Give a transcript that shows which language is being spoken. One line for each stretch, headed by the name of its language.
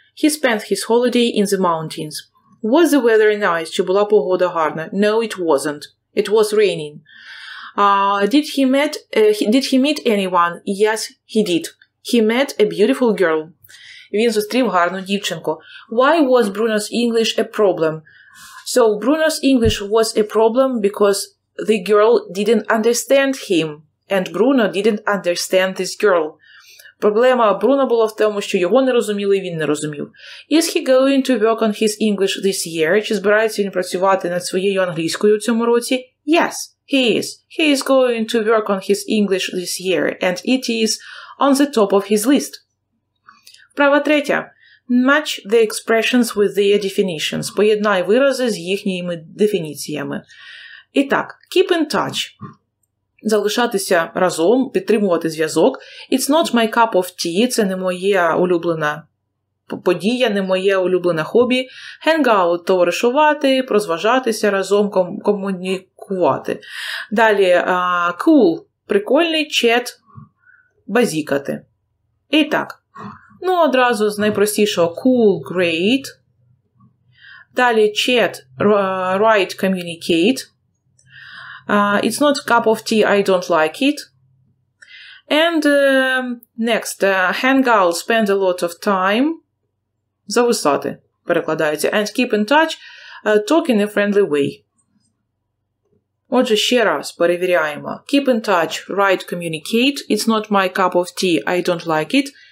English: He spent his holiday in the mountains. Was the weather nice?
Ukrainian: Чи була погода гарна?
English: No, it wasn't. It was raining. Did he meet anyone? Yes, he did. He met a beautiful girl.
Ukrainian: Він зустрів гарну дівчинку.
English: Why was Bruno's English a problem? So, Bruno's English was a problem because the girl didn't understand him. And Bruno didn't understand this girl.
Ukrainian: Проблема Бруно була в тому, що його не розуміли, і він не розумів.
English: Is he going to work on his English this year?
Ukrainian: Чи збирається він працювати над своєю англійською у цьому році?
English: Yes, he is. He is going to work on his English this year, and it is on the top of his list.
Ukrainian: Вправа третя.
English: Match the expressions with their definitions.
Ukrainian: Поєднай вирази з їхніми дефініціями. І так,
English: keep in touch.
Ukrainian: Залишатися разом, підтримувати зв'язок.
English: It's not my cup of tea.
Ukrainian: Це не моє улюблена подія, не моє улюблене хобі.
English: Hang out
Ukrainian: – товаришувати, прозважатися разом, комунікувати. Далі cool – прикольний, chat – базікати. І так. Ну, одразу з найпростішого –
English: cool – great.
Ukrainian: Далі
English: chat – right – communicate. It's not a cup of tea, I don't like it. And next, hang out, spend a lot of time.
Ukrainian: Зависати, перекладається.
English: And keep in touch, talk in a friendly way.
Ukrainian: Отже, ще раз перевіряємо.
English: Keep in touch, write, communicate. It's not my cup of tea, I don't like it.